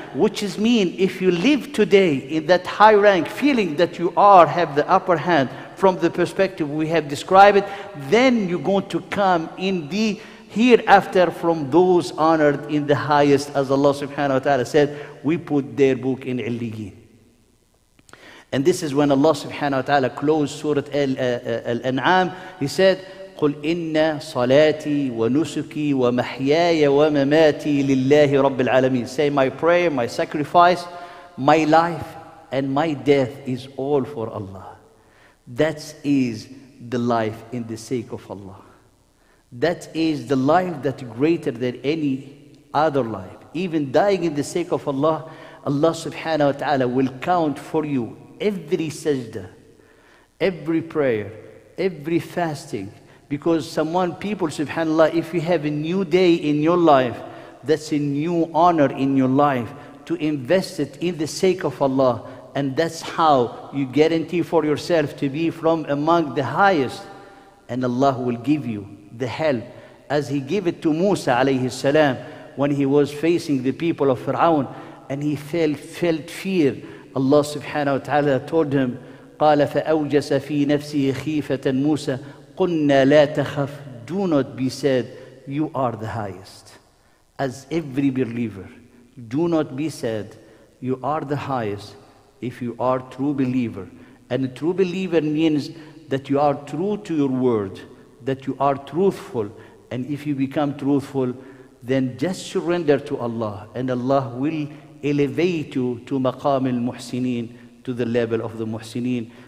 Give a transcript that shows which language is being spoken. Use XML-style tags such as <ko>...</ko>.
<en>Which is mean, if you live today in that high rank, feeling that you are, have the upper hand, from the perspective we have described it, then you're going to come in the hereafter from those honored in the highest, as Allah subhanahu wa ta'ala said, we put their book in Illiyin. And this is when Allah subhanahu wa ta'ala closed Surah Al-An'am. He said,</en> <ar>قُلْ إِنَّ صَلَاتِي وَنُسُكِي وَمَحْيَايَ وَمَمَاتِي لِلَّهِ رَبِّ الْعَالَمِينَ.</ar> <en>Say, my prayer, my sacrifice, my life and my death is all for Allah. That is the life in the sake of Allah. That is the life that is greater than any other life. Even dying in the sake of Allah, Allah subhanahu wa ta'ala will count for you every sajda, every prayer, every fasting. Because someone, people, subhanAllah, if you have a new day in your life, that's a new honor in your life to invest it in the sake of Allah. And that's how you guarantee for yourself to be from among the highest. And Allah will give you the help as He gave it to Musa alayhi salam when he was facing the people of Fir'aun and he felt fear. Allah subhanahu wa ta'ala told him,</en> <ar>قَالَ فَأَوْجَسَ فِي نَفْسِهِ خِيفَةً مُوسَى قُنَّا لَا تَخَفْ.</ar> <en>Do not be sad, you are the highest. As every believer, do not be sad, you are the highest. If you are true believer, and a true believer means that you are true to your word, that you are truthful, and if you become truthful, then just surrender to Allah, and Allah will elevate you to maqam al-muhsineen, to the level of the muhsineen.</en>